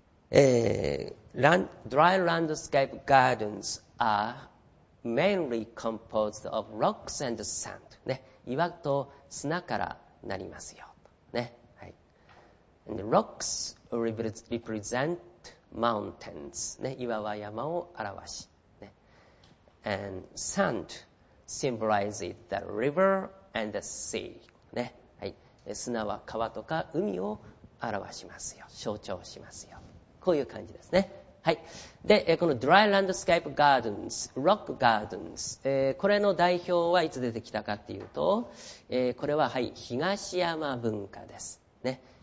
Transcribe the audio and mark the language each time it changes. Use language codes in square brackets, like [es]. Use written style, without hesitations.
[en] Dry landscape gardens are mainly composed of rocks and sand. [ja] ね、岩と砂からなりますよ。ね、はい。 [en] And rocks represent mountains. [ja] ね、岩は山を表し。 [en] ね、and sand symbolizes the river and the sea. [ja] ね、はい。砂は川とか海を表しますよ。象徴しますよ。こういう感じですね。はい。で、このドライランドスケープガーデンズ、ロックガーデンズ、これの代表はいつ出てきたかっていうと、これは、はい、東山文化です。ね。